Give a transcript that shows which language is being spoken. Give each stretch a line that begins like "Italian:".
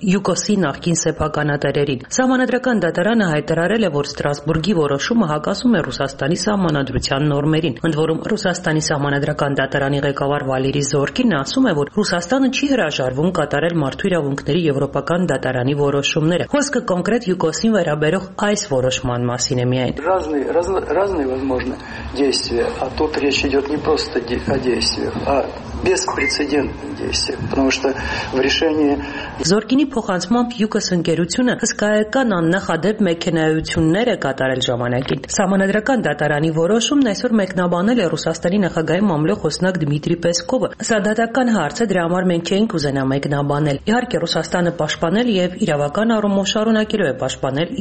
Armenian: Յուկոսի նախկին սեփականատերերին։ Սահմանադրական դատարանը հայտարարել է, որ Ստրասբուրգի որոշումը հակասում է Ռուսաստանի սահմանադրության նորմերին։ Ընդ որում Ռուսաստանի սահմանադրական դատարանի ղեկավար Վալերի Զորկինն ասում է, որ Ռուսաստանը չի հրաժարվում կատարել մարդու իրավունքների եվրոպական դատարանի որոշումները։ Խոսքը կոնկրետ Յուկոսին վերաբերող այս որոշման մասին է միայն։
Russian: Разные возможны действия, а тут речь идёт не просто о действиях, а беспрецедентные действия, потому что в решении
Armenian: Զորկինի փոխանցումը Յուկոս ընկերությունը հսկայական աննախադեպ մեխանիզմներ է կատարել ժամանակին։ Սահմանադրական դատարանի որոշումն այսօր մեկնաբանել է Ռուսաստանի նախագահի մամուլի խոսնակ Դմիտրի Պեսկովը։ Սա դատական հարց է, դրա համար մենք չենք ուզենա մեկնաբանել։ Իհարկե Ռուսաստանը պաշտպանել եւ իրավական առումով շարունակելու է պաշտպանել